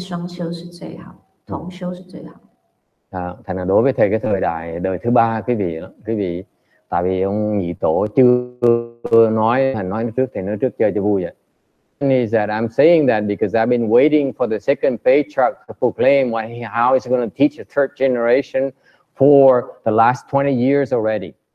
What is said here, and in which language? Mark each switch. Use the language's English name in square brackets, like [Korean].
[Chinese] 所以我觉得在这个末法时代呢，这个禅静双修是最好，同修是最好。 [Vietnamese] Thành là đối với thầy cái thời đại đời thứ ba quý vị đó, quý vị tại vì ông nhị tổ chưa nói, thầy nói trước, thầy nói trước chơi cho vui vậy. [English] Is that I'm saying that because I've been waiting for the second patriarch to proclaim how he's going to teach the third generation for the last 20 years already.